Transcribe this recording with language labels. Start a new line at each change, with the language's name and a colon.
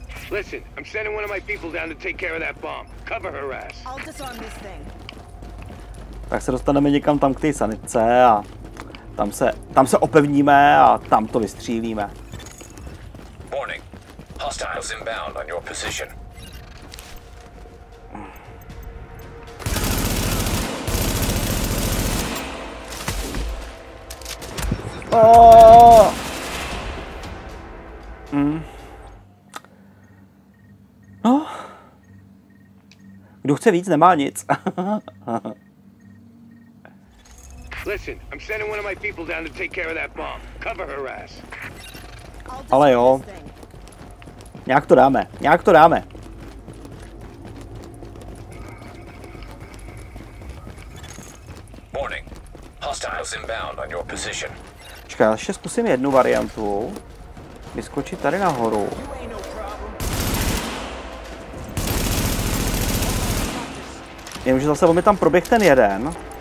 English: Listen, I'm sending one of my people down to take care of that bomb. Cover her ass. I'll disarm this thing.
Czech: Tak se dostaneme někam tam k té sanitce a tam se opevníme a tam to vystřílíme.
English: Warning. Hostiles inbound on your position. Oh! Mm.
Czech: kdo chce víc, nemá nic.
English: Listen, I'm sending one of my people down to take care of that bomb. Cover her ass.
Czech: Ale jo. Nějak to dáme. Nějak to dáme.
English: Warning. Hostiles inbound on your position.
Czech: Čekaj, ještě zkusím jednu variantu. Vyskočit tady nahoru. Jenom, že zase on mi tam proběh ten jeden.